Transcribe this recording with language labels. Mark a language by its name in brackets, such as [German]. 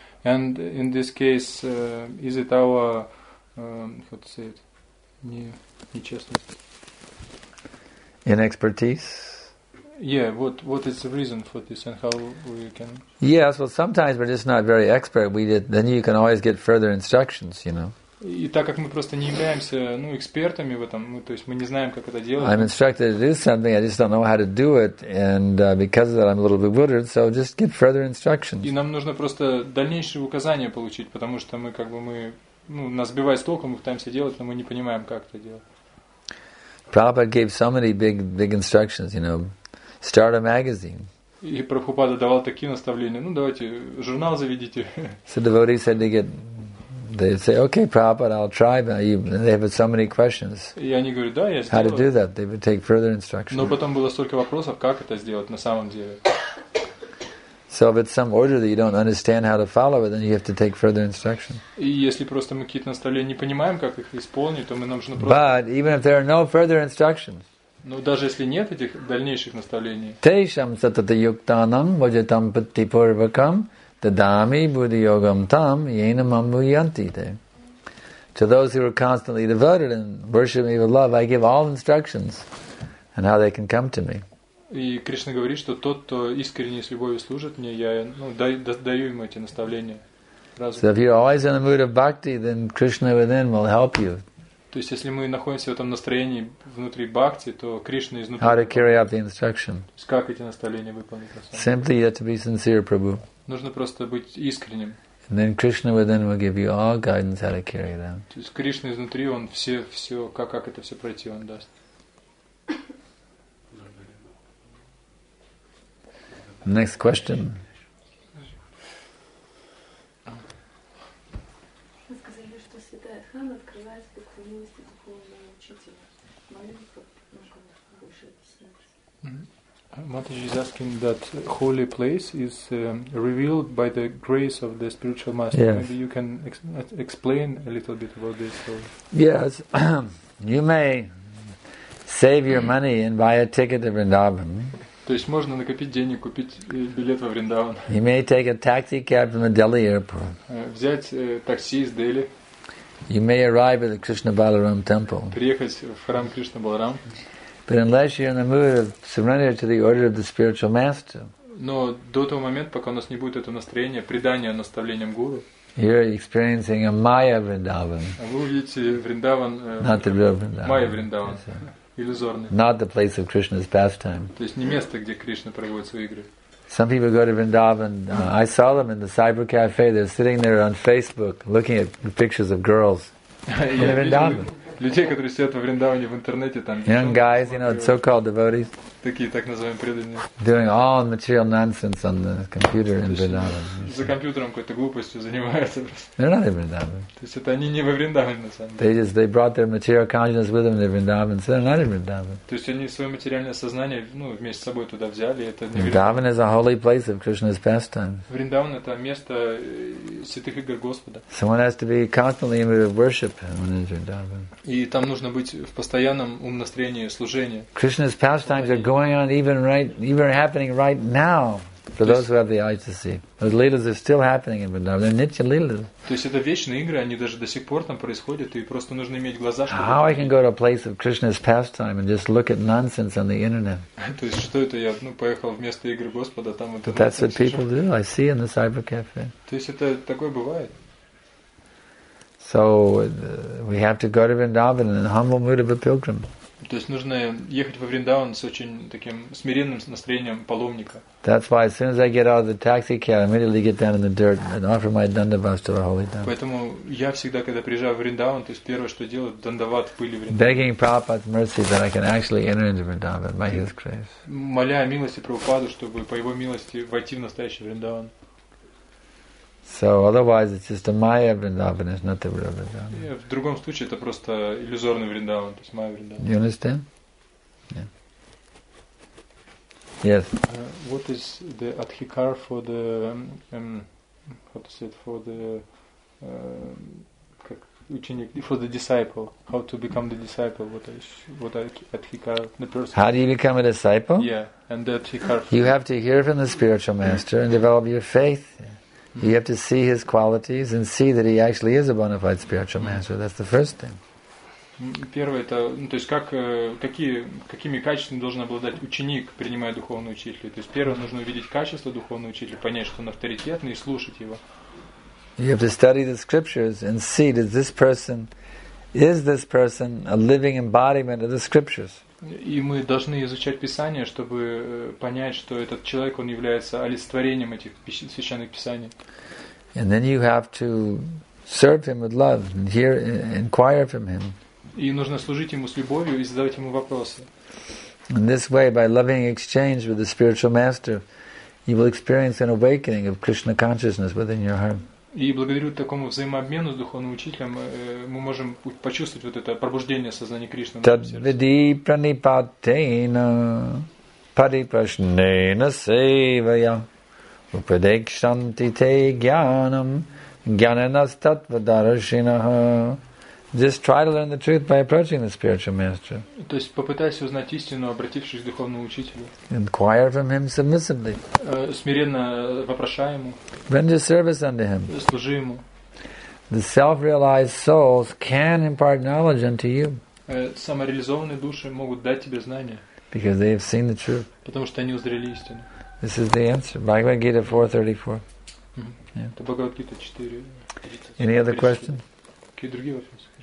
[English] And in this case, is it our, how to say it, [Russian] нечестность? [English] Inexpertise? Yeah, what is the reason for this and how we can... Yes, well, sometimes we're just not very expert. Then you can always get further instructions, you know. [Russian] И так как мы просто не являемся, ну, экспертами в этом, то есть мы не знаем, как это делать. [English] I'm instructed to do something, I just don't know how to do it, and because of that I'm a little bewildered, so just get further instructions. [Russian] И нам нужно просто дальнейшие указания получить, потому что мы как бы, нас сбивает с толку, мы пытаемся делать, но мы не понимаем, как это делать. [English] Prabhupada gave so many big instructions, you know, start a magazine. [Russian] И Прабхупада давал такие наставления, ну давайте журнал заведите. [English] So devotees had to get, they say, okay, Prabhupada, I'll try, but they have so many questions. [Russian] И они говорят, да, я сделаю. [English] How to do that? They would take further instructions. [Russian] Но потом было столько вопросов, как это сделать на самом деле. [English] So if it's some order that you don't understand how to follow it, then you have to take further instructions. [Russian] И если просто мы какие-то наставления не понимаем, как их исполнить, то мы нам нужно просто. [English] But even if there are no further instructions. [Russian] Ну даже если нет этих дальнейших наставлений. [Sanskrit] Тейшам сатата юктанам ваджатам паттипурвакам дадами будхи йогам там йенам амбуйантите. [English] To those who are constantly devoted and worship me with love, I give all instructions and how they can come to me. [Russian] И Кришна говорит, что тот, кто искренне и с любовью служит мне, я даю ему эти наставления. [English] So if you're always in the mood of bhakti, then Krishna within will help you. [Russian] То есть если мы находимся в этом настроении внутри бхакти, то Кришна изнутри. [English] How to carry out the instruction? [Russian] Как эти наставления выполнить? [English] Simply you have to be sincere, Prabhu. [Russian] Нужно просто быть искренним. [English] And then Krishna within will give you all guidance how to carry them. [Russian] То есть Кришна изнутри, он все как это все пройти, он даст. [English] Next question. [Russian] Вы сказали, что святая Дхарма открывает духовную милость духовного учителя. Молитва нужно больше объяснять. [English] Mataji is asking that holy place is revealed by the grace of the spiritual master. Yes. Maybe you can explain a little bit about this. Or... Yes. You may save your money and buy a ticket to Vrindavan. [Russian] То есть можно накопить денег, купить билет во Вриндаван. [English] You may take a taxi cab from the Delhi airport. [Russian] Взять такси из Дели. [English] You may arrive at the Krishna Balaram temple. [Russian] Приехать в храм Кришна Баларам. [English] But unless you're in the mood of surrender to the order of the spiritual master. [Russian] Но до того момента, пока у нас не будет этого настроения, предания наставлениям гуру. [English] You're experiencing a Maya Vrindavan. [Russian] Вы увидите Вриндаван. [English] Not the real Vrindavan. Maya Vrindavan. Yes, not the place of Krishna's pastime. [Russian] То есть не место, где Кришна проводит свои игры. [English] Some people go to Vrindavan. I saw them in the cyber cafe. They're sitting there on Facebook, looking at pictures of girls. In Vrindavan. [Russian] Людей, которые сидят во Вриндаване в интернете там. [English] Young guys, you know, so-called devotees. [Russian] Такие так называемые преданные. [English] Doing all material nonsense on the computer in Vrindavan. [Russian] За компьютером какой-то глупостью занимаются. [English] They're not in Vrindavan. [Russian] То есть это они не во Вриндаване на самом деле. [English] They brought their material consciousness with them to Vrindavan, so they're not in Vrindavan. [Russian] То есть они свое материальное сознание, ну, вместе с собой туда взяли, это не. [English] Vrindavan is a holy place of Krishna's pastime. [Russian] Вриндаван это место святых игр Господа. [English] Someone has to be constantly in mood of worship when in Vrindavan. [Russian] И там нужно быть в постоянном умнастроении служения. [English] Krishna's pastimes are going on even happening right now for those who have the eyes to see. Those leelas are still happening in Vrindavan. They're nitya leelas. [Russian] То есть это вечные игры, они даже до сих пор там происходят, и просто нужно иметь глаза, чтобы. [English] How I can go to a place of Krishna's pastime and just look at nonsense on the internet? [Russian] То есть что это я, ну, поехал вместо игры Господа там. [English] But that's what people do. I see in the cyber cafe. [Russian] То есть это такое бывает. [English] So we have to go to Vrindavan in a humble mood of a pilgrim. [Russian] То есть нужно ехать во Вриндаван с очень таким смиренным настроением паломника. [English] That's why as soon as I get out of the taxi cab, I immediately get down in the dirt and offer my dandavats to the holy dhamma. [Russian] Поэтому я всегда, когда приезжаю в Вриндаван, то есть первое, что делаю, дандават пыли Вриндаван. [English] Begging Prabhupada's mercy that I can actually enter into Vrindavan by His grace. [Russian] Моля о милости Прабхупаду, чтобы по Его милости войти в настоящий Вриндаван. [English] So otherwise, it's just a Maya Vrindavan, it's not the real Vrindavan. Yeah, [Russian] в другом случае это просто иллюзорный Вриндаван, то есть Maya Vrindavan. [English] You understand? Yeah. Yes. What is the adhikar for the how to say it for the [Russian] как ученик, [English] for the disciple? How to become the disciple? What adhikar the person? How do you become a disciple? Yeah, and the adhikar. You have to hear from the spiritual master and develop your faith. You have to see his qualities and see that he actually is a bona fide spiritual master. That's the first thing. [Russian] Первое это, ну, то есть как какие какими качествами должен обладать ученик, принимая духовного учителя. То есть первое нужно увидеть качество духовного учителя, понять, что он авторитетный, и слушать его. [English] You have to study the scriptures and see that this person a living embodiment of the scriptures. [Russian] И мы должны изучать Писание, чтобы понять, что этот человек, он является олицетворением этих священных писаний. [English] And then you have to serve him with love and hear, inquire from him. [Russian] И нужно служить ему с любовью и задавать ему вопросы. [English] In this way, by loving exchange with the spiritual master, you will experience an awakening of Krishna consciousness within your heart. [Russian] И благодаря такому взаимообмену с духовным учителем мы можем почувствовать вот это пробуждение сознания Кришны. [Sanskrit] Тадвиди пранипатейна парипрашнейна севая упадекшанти те гьянам гьянанастатвадарашинаха. [English] Just try to learn the truth by approaching the spiritual master. [Russian] То есть попытайся узнать истину, обратившись к духовному учителю. [English] Inquire from him submissively. [Russian] Смиренно вопрошай ему. [English] Render service unto him. [Russian] Служи ему. [English] The self-realized souls can impart knowledge unto you. [Russian] Самореализованные души могут дать тебе знания. [English] Because they have seen the truth. [Russian] Потому что они узрели истину. [English] This is the answer. Bhagavad Gita 4:34. [Russian] Это Бхагавад Гита 4:34. [English] Any other question? [Russian] Какие другие вопросы?